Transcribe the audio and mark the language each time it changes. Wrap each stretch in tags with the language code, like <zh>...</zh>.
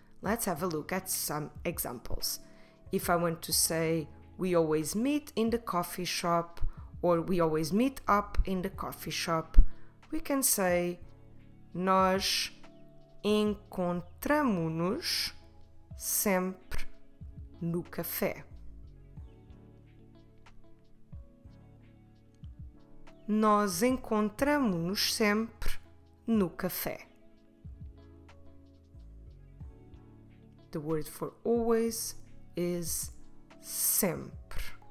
<en>Let's have a look at some examples. If I want to say, we always meet in the coffee shop, or we always meet up in the coffee shop, we can say,</en> <pt>nós encontramo-nos sempre no café. Nós encontramo-nos sempre no café.</pt> <en>The word for always is sempre.</en>